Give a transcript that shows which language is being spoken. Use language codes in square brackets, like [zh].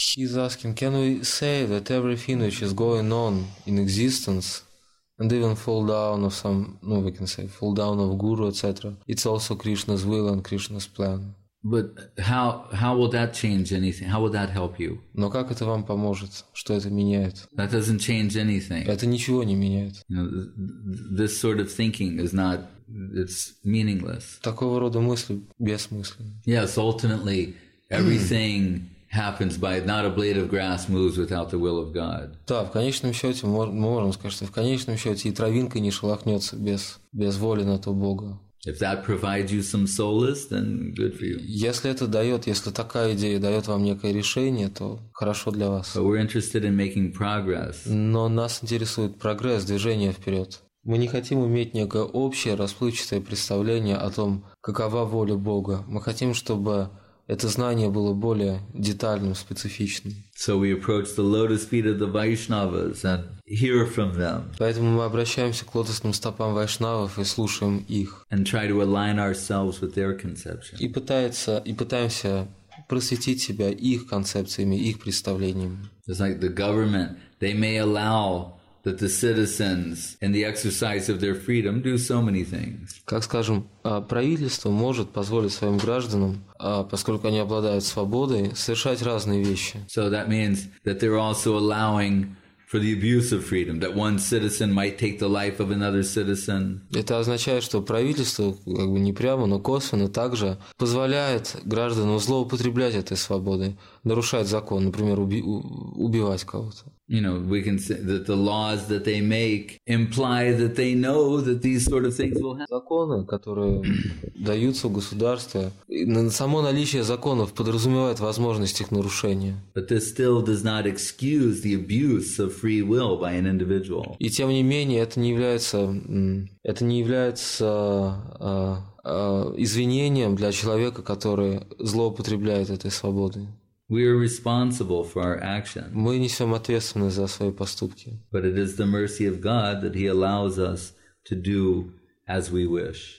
[ru] как Кришна. [en] He's asking, can we say that everything which is going on in existence, and even fall down of some, ну, we can say, fall down of guru, etc., it's also Krishna's will and Krishna's plan? But how will that change anything? How will that help you? [ru] Но как это вам поможет? Что это меняет? [en] That doesn't change anything. [ru] Это ничего не меняет. [en] You know, this sort of thinking is not, it's meaningless. [ru] Такого рода мысли бессмысленны. [en] Yes, ultimately everything happens by not a blade of grass moves without the will of God. [ru] Да, в конечном счете мы можем сказать, что в конечном счете и травинка не шелохнется без воли на то Бога. [en] If that provides you some solace, then good for you. [ru] Если это дает, если такая идея дает вам некое решение, то хорошо для вас. [en] But we're interested in making progress. [ru] Но нас интересует прогресс, движение вперед. Мы не хотим иметь некое общее расплывчатое представление о том, какова воля Бога. Мы хотим, чтобы это знание было более детальным, специфичным. [en] So we approach the lotus feet of the Vaishnavas and hear from them. [ru] Поэтому мы обращаемся к лотосным стопам вайшнавов и слушаем их. [en] And try to align ourselves with their conception. [ru] И пытаемся просветить себя их концепциями, их представлениями. [en] It's like the government, they may allow that the citizens in the exercise of their freedom do so many things. [ru] Как скажем, правительство может позволить своим гражданам, поскольку они обладают свободой, совершать разные вещи. [en] So that means that they're also allowing for the abuse of freedom, that one citizen might take the life of another citizen. [ru] Это означает, что правительство, как бы не прямо, но косвенно также позволяет гражданам злоупотреблять этой свободой, нарушать закон, например, убивать кого-то. [en] You know, we can say that the laws that they make imply that they know that these sort of things will happen. [ru] Законы, которые даются в государстве, само наличие законов подразумевает возможность их нарушения. [en] But this still does not excuse the abuse of free will by an individual. [ru] И тем не менее, это не является извинением для человека, который злоупотребляет этой свободой. [en] We are responsible for our actions. [ru] Мы несем ответственность за свои поступки. [en] But it is the mercy of God that He allows us to do as we wish.